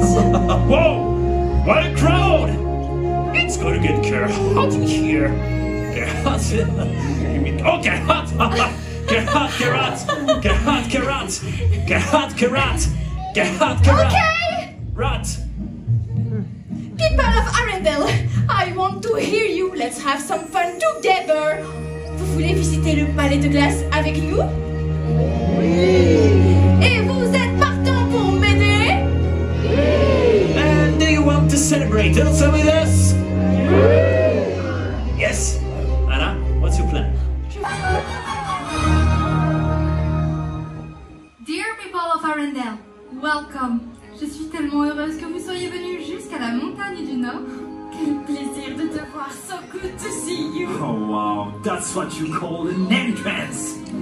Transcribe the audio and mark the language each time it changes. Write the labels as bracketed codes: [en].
[en] Whoa! What a crowd! It's gonna get hot in here. Get hot! Okay! Rot! People of Arendelle, I want to hear you. Let's have some fun together. [fr] Vous voulez visiter le palais de glace avec nous? Oui! Et vous êtes partant pour m'aider? Oui! [en] And do you want to celebrate also with us? [fr] Oui! [en] Yes! Anna, what's your plan? Dear people of Arendelle, welcome! [fr] Je suis tellement heureuse que vous soyez venus jusqu'à la montagne du Nord. Quel plaisir de te voir! [en] So good to see you! Oh wow, that's what you call an entrance!